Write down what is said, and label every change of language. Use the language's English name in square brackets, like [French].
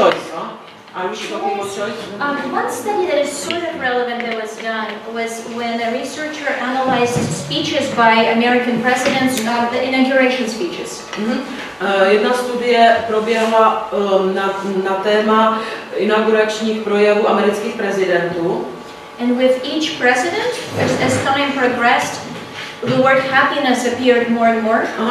[English] One study that is sort of relevant that was done was when a researcher analyzed speeches by American presidents, the inauguration speeches. [Czech] Jedna studie proběhla na téma inauguračních projevů amerických prezidentů. [English] And with each president, as time progressed, the word happiness appeared more and more.